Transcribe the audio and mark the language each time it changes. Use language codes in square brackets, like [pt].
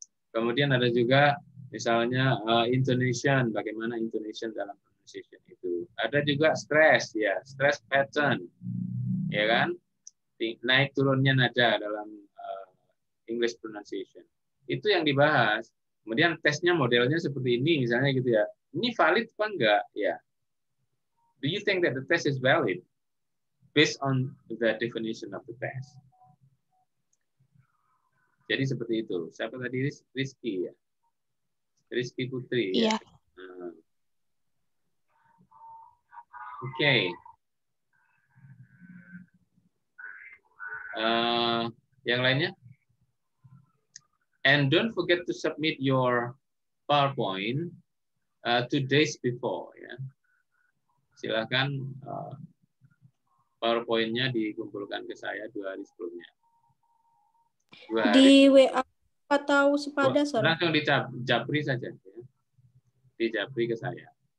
[id] Kemudian ada juga misalnya intonation, bagaimana intonation dalam pronunciation itu. Ada juga stress, ya, stress pattern, ya kan? Naik turunnya nada dalam English pronunciation. Itu yang dibahas. Kemudian tesnya modelnya seperti ini, misalnya gitu ya. Ini valid apa enggak? Ya. [en] Do you think that the test is valid based on the definition of the test? [id] Jadi seperti itu. Siapa tadi? Rizky ya. Rizky Putri. Iya. [en] Yeah. [id] Oke. [en] Okay. [id] Yang lainnya? [en] And don't forget to submit your PowerPoint 2 days before. Yeah. [id] silakan PowerPoint-nya dikumpulkan ke saya 2 hari sebelumnya. Di WA atau sepada, sir? Langsung di Japri saja. Ya. Di Japri ke saya.